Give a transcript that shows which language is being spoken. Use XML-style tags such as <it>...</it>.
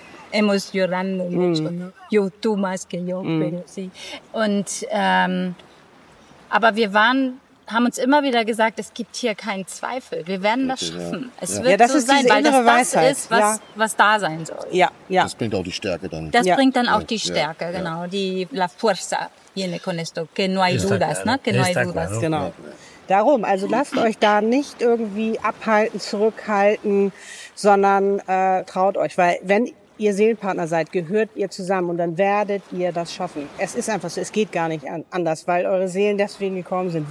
<es>Hemos llorando mucho, ¿no? Yo, tú más que yo, pero sí.</es> <de>Und, aber wir haben uns immer wieder gesagt, es gibt hier keinen Zweifel. Wir werden das schaffen. Es wird das so sein, weil das Weisheit. Das ist, was da sein soll. Ja, ja. Das bringt auch die Stärke dann. Das bringt dann auch die Stärke, genau.</de> <es>Die, la fuerza viene con esto. Que no hay dudas, ne? Que no hay dudas.</es> <de>Genau. Darum, also lasst euch da nicht irgendwie abhalten, zurückhalten, sondern traut euch, weil wenn ihr Seelenpartner seid, gehört ihr zusammen und dann werdet ihr das schaffen. Es ist einfach so, es geht gar nicht anders, weil eure Seelen deswegen gekommen sind.</de>